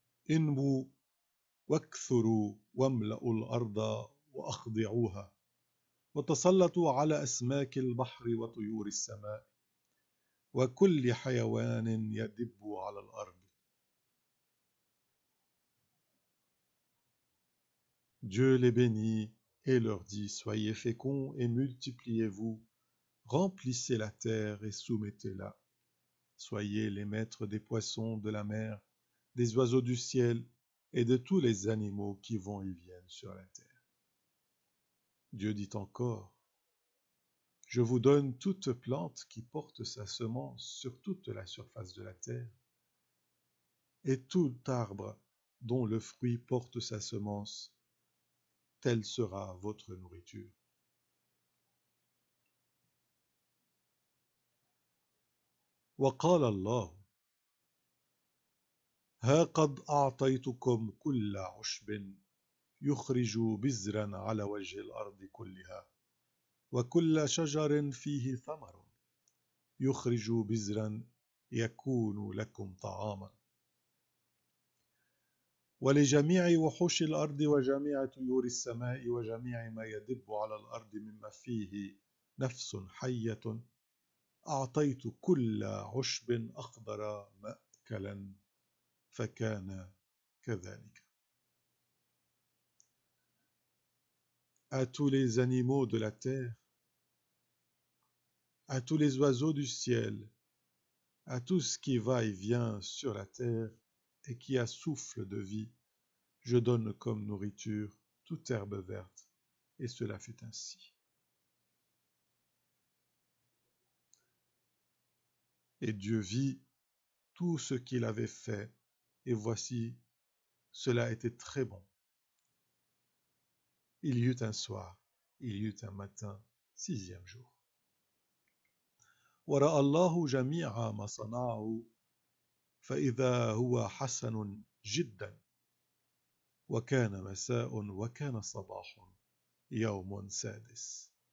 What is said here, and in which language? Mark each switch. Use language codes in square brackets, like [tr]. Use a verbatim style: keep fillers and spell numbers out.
[ar] انموا واكثروا واملأوا الأرض وأخضعوها وتسلطوا على أسماك البحر وطيور السماء وكل حيوان يدب على الأرض. [fr] Dieu les bénit et leur dit, soyez féconds et multipliez-vous, remplissez la terre et soumettez-la. Soyez les maîtres des poissons de la mer, des oiseaux du ciel et de tous les animaux qui vont et viennent sur la terre. Dieu dit encore, je vous donne toute plante qui porte sa semence sur toute la surface de la terre, et tout arbre dont le fruit porte sa semence, telle sera votre nourriture. [ar] وقال الله ها قد أعطيتكم كل عشب يخرج بذرا على وجه الأرض كلها وكل شجر فيه ثمر يخرج بذرا يكون لكم طعاما ولجميع وحوش الأرض وجميع طيور السماء وجميع ما يدب على الأرض مما فيه نفس حية أعطيت كل عشب أخضر مأكلا فكان كذلك. [fr] À tous les animaux de la terre, à tous les oiseaux du ciel, à tout ce qui va et vient sur la terre, et qui a souffle de vie, je donne comme nourriture toute herbe verte, et cela fut ainsi. Et Dieu vit tout ce qu'il avait fait, et voici, cela était très bon. Il y eut un soir, il y eut un matin, sixième jour. [ar] وَرَأَى اللَّهُ جَمِيعًا مَا صَنَعَهُ فإذا هو حسن جدا وكان مساء وكان صباح يوم سادس.